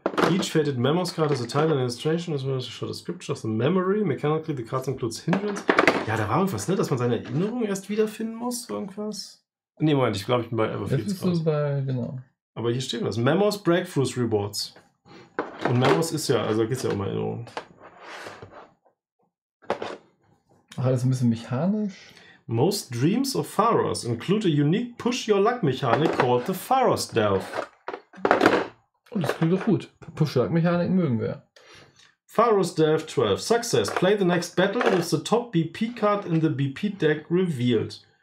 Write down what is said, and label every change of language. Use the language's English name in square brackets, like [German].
[English] Each fated Memos card is a title and illustration as well as a short description of the memory. Mechanically, the cards include hindrance. [German] Ja, da war irgendwas, ne? Dass man seine Erinnerung erst wiederfinden muss, irgendwas. Nee, Moment, ich glaube, ich bin bei Everfield. Das ist so bei, genau. Aber hier steht das. Memos Breakthroughs Rewards. Und Memos ist ja, also geht es ja um Erinnerung. Alles ein bisschen mechanisch. [English] Most Dreams of Pharos include a unique Push-Your-Luck-Mechanik called the Pharos Delve. [German] Oh, das klingt doch gut. Push-Your-Luck-Mechanik mögen wir. [English] Pharos Delve 12. Success. Play the next battle with the top BP card in the BP deck revealed.